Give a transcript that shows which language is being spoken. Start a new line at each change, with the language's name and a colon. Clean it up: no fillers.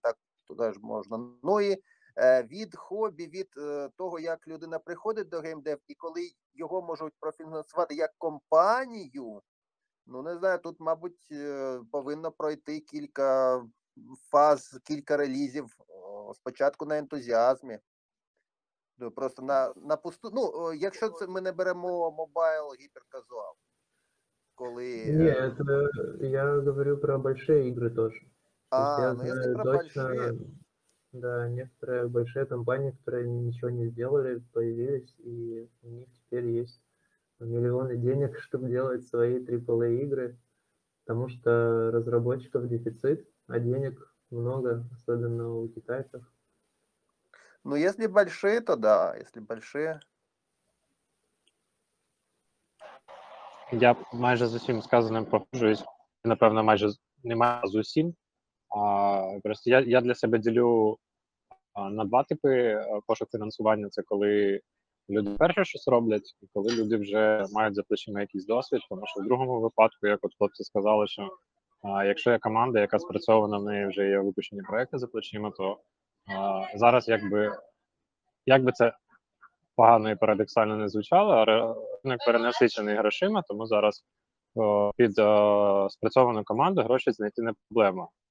Ukrainian: Так туди ж можна. Ну і від хобі, від того, як людина приходить до геймдев, і коли його можуть профінансувати як компанію, не знаю, тут, мабуть, повинно пройти кілька фаз, кілька релізів. Спочатку на ентузіазмі. Просто на пусту. Ну, якщо це ми не беремо мобайл, гіперказуал. Коли... Ні, я говорю про більші ігри теж. Якщо про точно... більші...
Russian: Да, некоторые большие компании, которые ничего не сделали, появились, и у них теперь есть миллионы денег, чтобы делать свои AAA игры, потому что разработчиков дефицит, а денег много, особенно у китайцев. Ну, если большие, то да, если большие.
Ukrainian: Я майже з усім сказаним погоджуюсь, напевно, майже немає з усім. Просто я для себе ділю на два типи пошук фінансування. Це коли люди перше щось роблять, і коли люди вже мають за плечима якийсь досвід, тому що в другому випадку, як от хлопці сказали, що якщо є команда, яка спрацьована, в неї вже є випущені проекти за плечима, то зараз якби це погано і парадоксально не звучало, а ринок перенасичений грошима, тому зараз під спрацьовану команду гроші знайти не проблема.